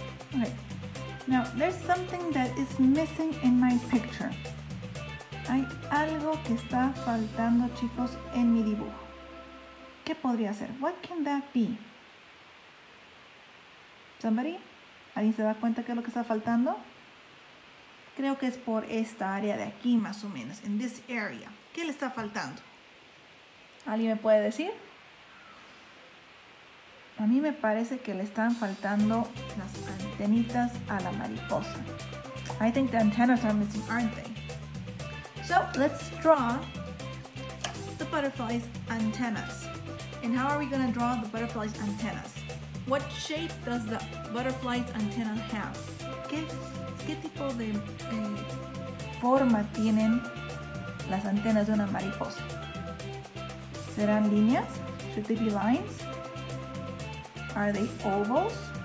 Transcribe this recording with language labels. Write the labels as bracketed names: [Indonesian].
[English] Okay. Now, there's something that is missing in my picture. [Spanish] Hay algo que está faltando, chicos, en mi dibujo. ¿Qué podría ser? [English] What can that be? Somebody? [Spanish] ¿Alguien se da cuenta qué es lo que está faltando? Creo que es por esta área de aquí, más o menos. [English] In this area. [Spanish] ¿Qué le está faltando? ¿Alguien me puede decir? A mí me parece que le están faltando las antenitas a la mariposa. [English] I think the antennas are missing, aren't they? So let's draw the butterfly's antennas. And how are we going to draw the butterfly's antennas? What shape does the butterfly's antenna have? [Spanish] ¿Qué tipo de forma tienen las antenas de una mariposa? ¿Serán líneas? [English] Should they be lines? Are they ovals?